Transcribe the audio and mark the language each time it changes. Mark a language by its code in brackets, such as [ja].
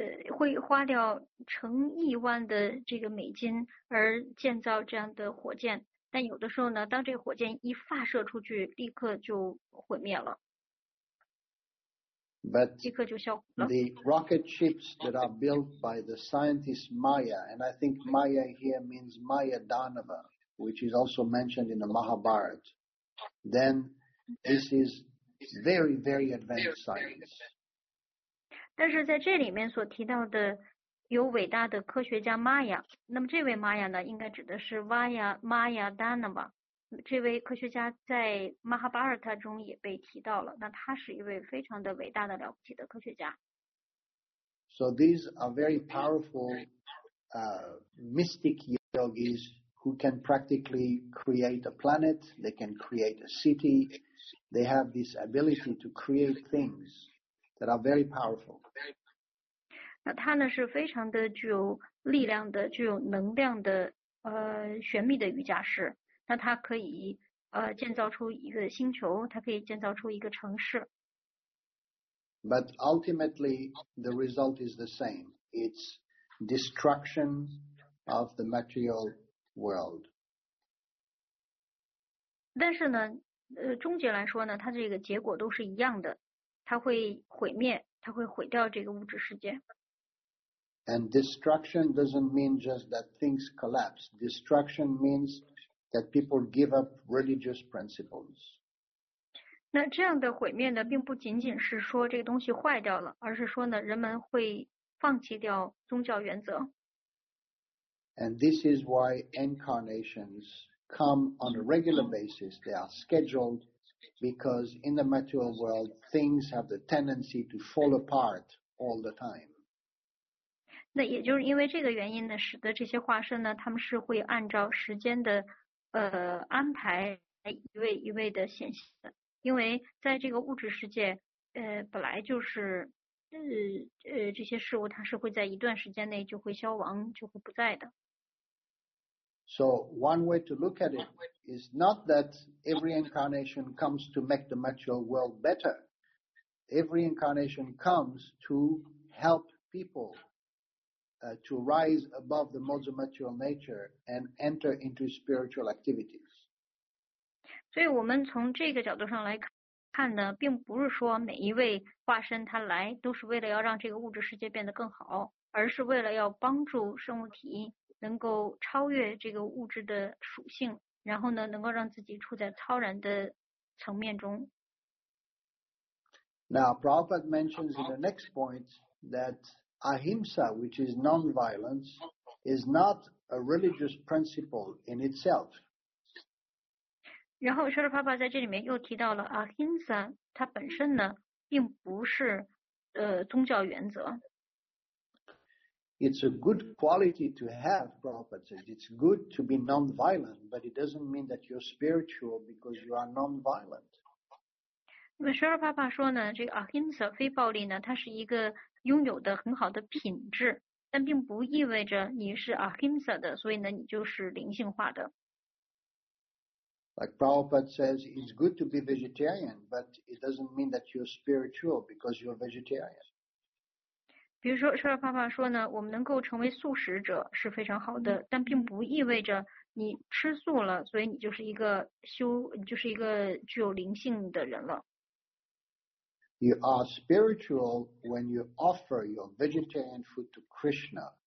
[zh] 会花掉成亿万的这个美金而建造这样的火箭，但有的时候呢，当这个火箭一发射出去，立刻就毁灭了。 [en] But [zh] 立刻就消毁了。 [en] The rocket ships that are built by the scientist Maya, and I think Maya here means Maya Danava. Which is also mentioned in the Mahabharata, then this is very, very advanced science. [zh] 但是在这里面所提到的有伟大的科学家 Maya, 那么这位 Maya 呢应该指的是 Maya Danava, 这位科学家在 Mahabharata 中也被提到了，那他是一位非常的伟大的了不起的科学家。 [en] So these are very powerful mystic yogis,who can practically create a planet, they can create a city, they have this ability to create things that are very powerful. [zh] 那他呢是非常的具有力量的、具有能量的玄秘的瑜伽师。那他可以建造出一个星球，他可以建造出一个城市。 [en] But ultimately, the result is the same. It's destruction of the material. World. [zh] 但是呢，终结来说呢，它这个结果都是一样的，它会毁灭，它会毁掉这个物质世界。 [en] And destruction doesn't mean just that things collapse. Destruction means that people give up religious principles. [zh] 那这样的毁灭呢，并不仅仅是说这个东西坏掉了，而是说呢，人们会放弃掉宗教原则。 [en] And this is why incarnations come on a regular basis. They are scheduled because in the material world, things have the tendency to fall apart all the time. [zh] 那也就是因为这个原因呢，使得这些化身呢，他们是会按照时间的安排一位一位的显现的。因为在这个物质世界，本来就是这些事物它是会在一段时间内就会消亡，就会不在的。 [en] So one way to look at it is not that every incarnation comes to make the material world better. Every incarnation comes to help people to rise above the modes of material nature and enter into spiritual activities. [zh] 所以我们从这个角度上来看呢，并不是说每一位化身他来都是为了要让这个物质世界变得更好，而是为了要帮助生物体能够超越这个物质的属性，然后呢，能够让自己处在超然的层面中。 [en] Now, Prabhupada mentions in the next point that ahimsa, which is non-violence, is not a religious principle in itself. [zh] 然后舍利帕帕在这里面又提到了 ahimsa, 它本身呢并不是宗教原则。 [en] It's a good quality to have, Prabhupada says. It's good to be non-violent, but it doesn't mean that you're spiritual because you are non-violent. [zh] 那么舍利帕帕说呢，这个 ahimsa 非暴力呢，它是一个拥有的很好的品质，但并不意味着你是 ahimsa 的，所以呢，你就是灵性化的。 [en] Like Prabhupada says, it's good to be vegetarian, but it doesn't mean that you're spiritual because you're vegetarian. [zh] 比如说，舍利帕帕说呢，我们能够成为素食者是非常好的，但并不意味着你吃素了，所以你就是一个修，就是一个具有灵性的人了。 [en] You are spiritual when you offer your vegetarian food to Krishna.